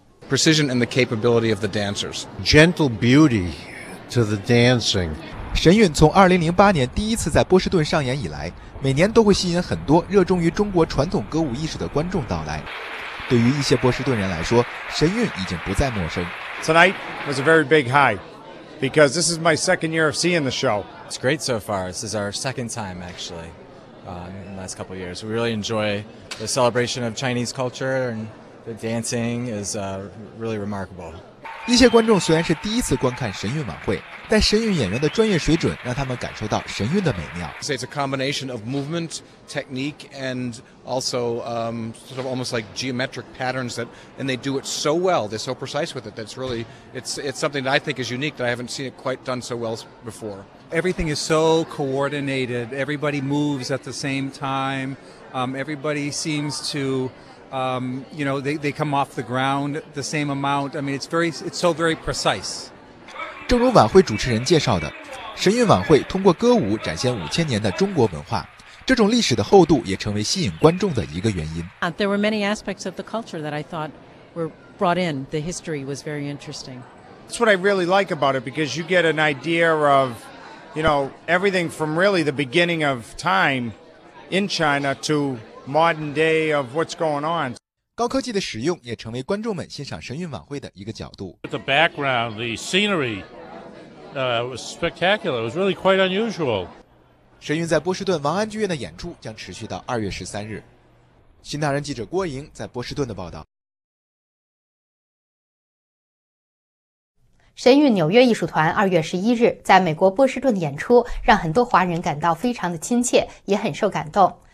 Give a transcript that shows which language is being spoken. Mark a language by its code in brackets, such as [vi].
[en] Precision and the capability of the dancers. Gentle beauty to the dancing. [zh] 神韵从2008年第一次在波士顿上演以来，每年都会吸引很多热衷于中国传统歌舞艺术的观众到来。对于一些波士顿人来说，神韵已经不再陌生。 [en] Tonight was a very big high because this is my second year of seeing the show. It's great so far. This is our second time actually, in the last couple of years. We really enjoy the celebration of Chinese culture and. Dancing is really remarkable. [zh] 一些观众虽然是第一次观看神韵晚会，但神韵演员的专业水准让他们感受到神韵的美妙。 [en] It's a combination of movement, technique, and also sort of almost like geometric patterns that, and they do it so well. They're so precise with it. That's really it's something that I think is unique that I haven't seen it quite done so well before. Everything is so coordinated. Everybody moves at the same time. Everybody seems to. You know, they come off the ground the same amount. I mean, it's so very precise. [zh] 正如晚会主持人介绍的，神韵晚会通过歌舞展现5000年的中国文化，这种历史的厚度也成为吸引观众的一个原因。 [en] There were many aspects of the culture that I thought were brought in. The history was very interesting. That's what I really like about it because you get an idea of, you know, everything from really the beginning of time in China to. Modern day of what's going on. [zh] 高科技的使用也成为观众们欣赏神韵晚会的一个角度。 [en] The background, the scenery, was spectacular. It was really quite unusual. [zh] 神韵在波士顿王安剧院的演出将持续到2月13日。新唐人记者郭莹在波士顿的报道。神韵纽约艺术团2月11日在美国波士顿的演出，让很多华人感到非常的亲切，也很受感动。